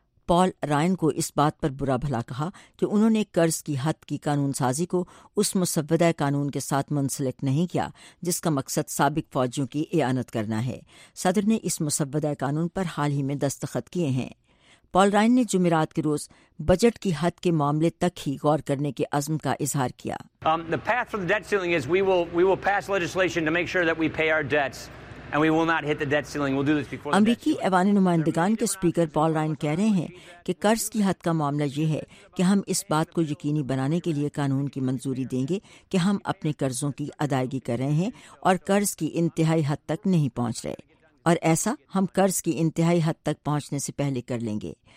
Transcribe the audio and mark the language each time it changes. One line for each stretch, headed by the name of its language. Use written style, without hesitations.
Urdu: پال Ryan کو اس بات پر برا بھلا کہا کہ انہوں نے قرض کی حد کی قانون سازی کو اس مسودہ قانون کے ساتھ منسلک نہیں کیا جس کا مقصد سابق فوجیوں کی اعانت کرنا ہے۔ صدر نے اس مسودہ قانون پر حال ہی میں دستخط کیے ہیں۔ پال رائن نے جمعرات کے روز بجٹ کی حد کے معاملے تک ہی غور کرنے کے عزم کا اظہار کیا۔
English: The path for the debt ceiling is we will pass legislation to make sure that we pay our debts and we will not hit the debt ceiling. We'll do this before the debt ceiling.
Urdu: امریکی ایوان نمائندگان کے speaker پال Ryan کہہ رہے ہیں کہ قرض کی حد کا معاملہ یہ ہے کہ ہم اس بات کو یقینی بنانے کے لیے قانون کی منظوری دیں گے کہ ہم اپنے قرضوں کی ادائیگی کر رہے ہیں اور قرض کی انتہائی حد تک نہیں پہنچ رہے، اور ایسا ہم قرض کی انتہائی حد تک پہنچنے سے پہلے کر لیں گے۔